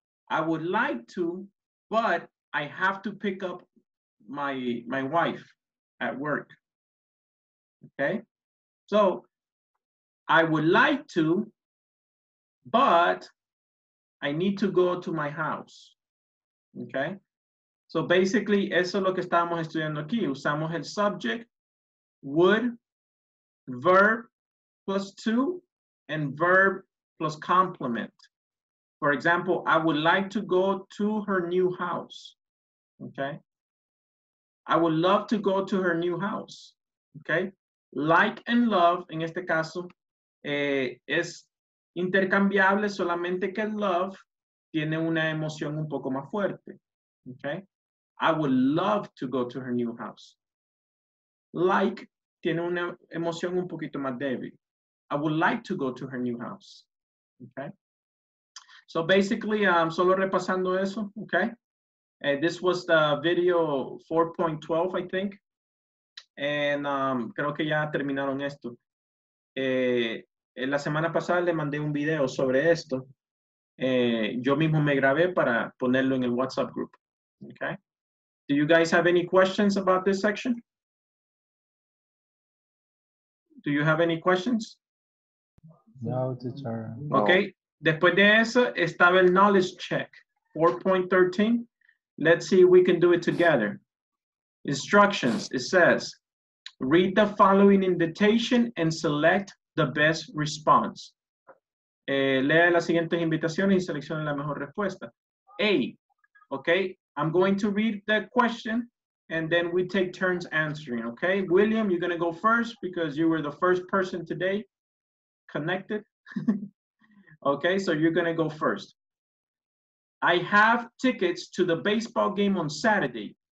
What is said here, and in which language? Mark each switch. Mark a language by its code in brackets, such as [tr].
[en] I would like to, but I have to pick up my wife at work. Okay, so I would like to, but I need to go to my house. Okay, so basically, [es] eso es lo que estamos estudiando aquí. Usamos el [en] subject, would, verb plus to, and verb plus complement. For example, I would like to go to her new house. Okay. I would love to go to her new house. [es] Okay. [en] Like and love, [es] en este caso, es intercambiable, solamente que love tiene una emoción un poco más fuerte. Okay. [en] I would love to go to her new house. [es] Like tiene una emoción un poquito más débil. [en] I would like to go to her new house. Okay. So basically, [es] solo repasando eso, [en] okay? This was the video 4.12, I think. And [es] creo que ya terminaron esto. La semana pasada le mandé un video sobre esto. Yo mismo me grabé para ponerlo en el WhatsApp group. [en] Okay. Do you guys have any questions about this section? Do you have any questions? No, teacher. [es] Okay. No. Después de eso estaba el knowledge check 4.13. [en] Let's see if we can do it together. Instructions. It says, read the following invitation and select the best response. [es] Lea las siguientes invitaciones y seleccione la mejor respuesta. [en] A. Okay. I'm going to read the question and then we take turns answering. Okay. William, you're going to go first because you were the first person today connected. Okay. So you're going to go first. I have tickets to the baseball game on Saturday.